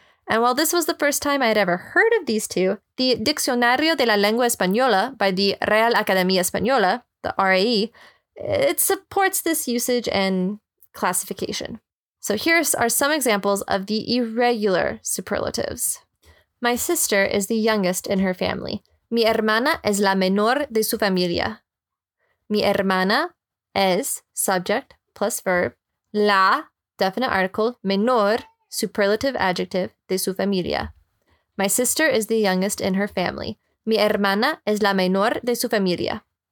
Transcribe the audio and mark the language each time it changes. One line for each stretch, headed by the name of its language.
English: And while this was the first time I had ever heard of these two, the Diccionario de la Lengua Española by the Real Academia Española, the RAE, it supports this usage and classification. So here are some examples of the irregular superlatives. My sister is the youngest in her family.
Spanish: Mi hermana es la menor de su familia. Mi hermana es,
English: subject plus verb,
Spanish: la,
English: definite article,
Spanish: menor,
English: superlative adjective,
Spanish: de su familia.
English: My sister is the youngest in her family.
Spanish: Mi hermana es la menor de su familia.